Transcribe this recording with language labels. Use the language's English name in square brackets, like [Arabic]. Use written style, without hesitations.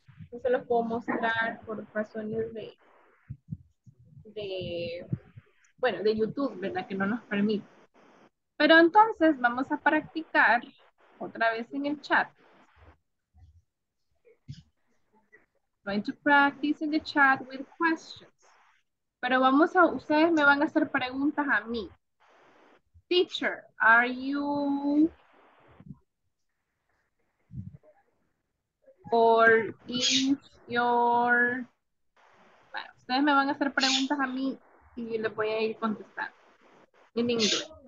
[Spanish] No se los puedo mostrar por razones de YouTube, ¿verdad? Que no nos permite. Pero entonces vamos a practicar otra vez en el chat. [English] Going to practice in the chat with questions. [Spanish] Pero vamos a, ustedes me van a hacer preguntas a mí. Teacher, [English] are you? Or is your? [Spanish] Bueno, ustedes me van a hacer preguntas a mí y yo les voy a ir contestando. [English] In English.